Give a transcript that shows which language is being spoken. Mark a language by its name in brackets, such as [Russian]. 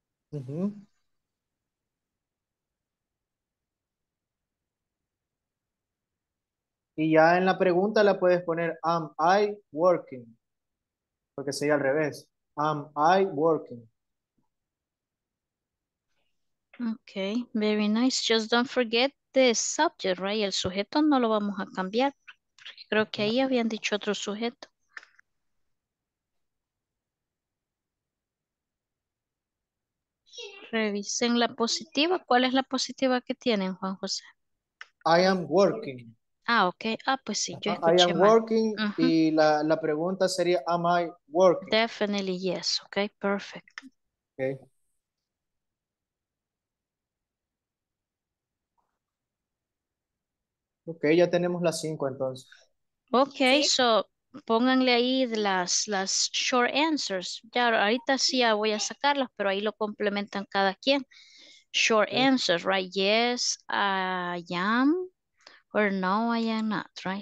[Spanish] Uh-huh. Y ya en la pregunta la puedes poner [English] am I working, [Spanish] porque sería al revés, am I working. [English] Okay, very nice, just don't forget subject, right? [Spanish] El sujeto no lo vamos a cambiar. Creo que ahí habían dicho otro sujeto. Revisen la positiva. ¿Cuál es la positiva que tienen, Juan José? [English] I am working. [Spanish] Ah, ok. Ah, pues sí. Yo [English] I am working. Uh-huh. [Spanish] Y la pregunta sería, [English] am I working? Definitely yes. Ok, perfect. Ok. [Spanish] Ok, ya tenemos las 5 entonces. Ok, ¿sí? So pónganle ahí las short answers. Ya ahorita sí ya voy a sacarlas, pero ahí lo complementan cada quien. [English] Short okay. Answers, right? Yes, I am, or no, I am not, right?